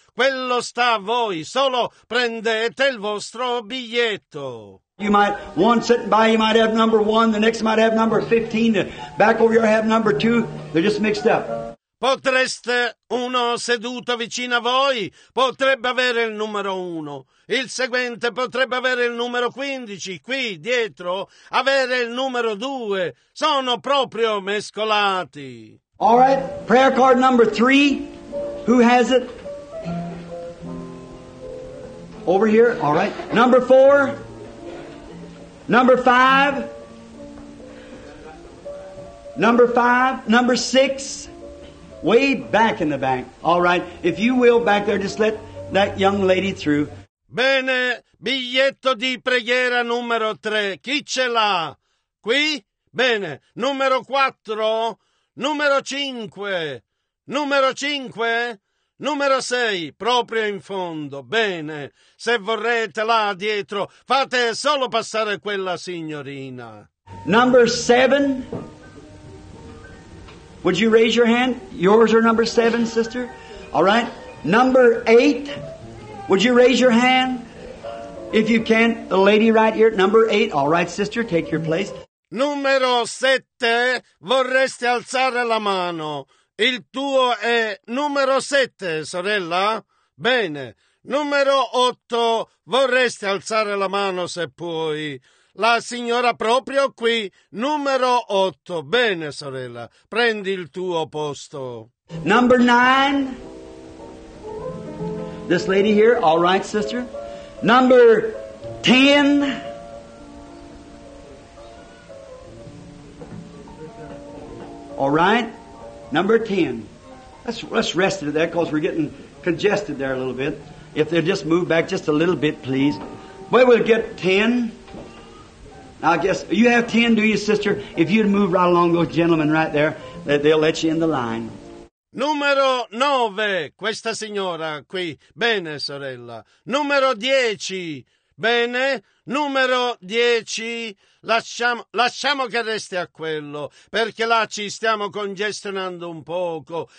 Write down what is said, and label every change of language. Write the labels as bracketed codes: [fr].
[it] Quello sta a voi. Solo prendete il vostro biglietto. [en] You might, one sitting by, you might have number one, the next might have number 15, the back over here have number two, they're just mixed up. [it] Potreste, uno seduto vicino a voi, potrebbe avere il numero uno. Il seguente potrebbe avere il numero 15, qui dietro, avere il numero due. Sono proprio mescolati. [en] All right, prayer card number three. Who has it? Over here, all right. Number four. Number five. Number five. Number six. Way back in the back. All right. If you will, back there, just let that young lady through. [it] Bene. Biglietto di preghiera numero tre. Chi ce l'ha? Qui? Bene. Numero quattro. Numero cinque. Numero cinque. Numero 6, proprio in fondo. Bene, se vorrete là dietro, fate solo passare quella signorina. [en] Number 7, would you raise your hand? Yours or number 7, sister? All right. Number 8, would you raise your hand? If you can, the lady right here, number 8. All right, sister, take your place. [it] Numero 7, vorreste alzare la mano? Il tuo è numero 7, sorella? Bene. Numero 8, vorresti alzare la mano se puoi? La signora proprio qui, numero 8. Bene, sorella, prendi il tuo posto. [en] Number 9. This lady here, all right, sister. Number 10. All right. Number 10. Let's rest it there because we're getting congested there a little bit. If they'll just move back just a little bit, please. Well, we'll get 10. I guess you have 10, do you, sister? If you'd move right along those gentlemen right there, they'll let you in the line. [it] Numero 9, questa signora qui. Bene, sorella. Numero 10, bene. Numero 10, lasciamo che resti a quello, perché là ci stiamo congestionando un poco.